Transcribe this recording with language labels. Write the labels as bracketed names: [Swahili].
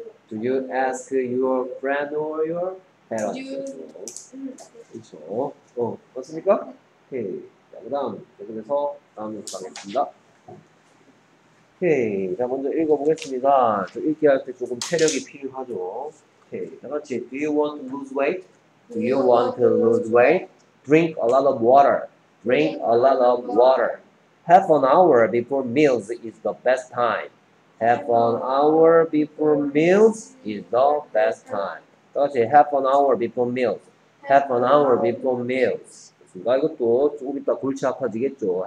[English] Do you ask your friend or your parents? [Korean] 그렇죠. 맞습니까? 오케이. 자, 그 다음 계속해서 다음 연습 가겠습니다. 오케이. 자, 먼저 읽어보겠습니다. 저 읽기 할때 조금 체력이 필요하죠. 오케이. 다 같이. [English] Do you want to lose weight? Do you want to lose weight? Drink a lot of water. Drink a lot of water. Half an hour before meals is the best time. Half an hour before meals is the best time. [Korean] 다시 [English] half an hour before meals. Half an hour before meals. [Korean] 그러니까 이것도 조금 이따 골치 아파지겠죠.